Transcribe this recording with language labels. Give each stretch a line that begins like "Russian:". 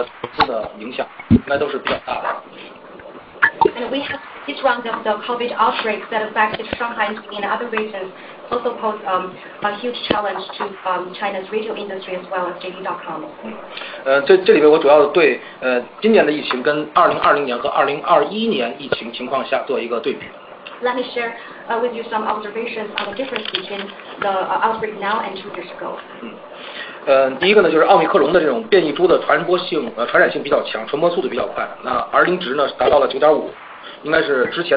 Chinese: 从三月份开始的上海、吉林，包括像北京的这一轮的疫情呢，对整个的中国零售和投资的影响，应该都是比较大的。
English: And we have this round of the COVID outbreak that affected Shanghai and Jilin and other regions also posed a huge challenge to China's retail industry as well as JD.com.
Chinese: 这里面我主要对今年的疫情跟2020年和2021年疫情情况下做一个对比。
English: Let me share with you some observations on the difference between the outbreak now and 2 years ago.
Chinese: 第一个呢就是奥密克戎的这种变异株的传染性比较强，传播速度比较快，那R0值呢达到了 9.5。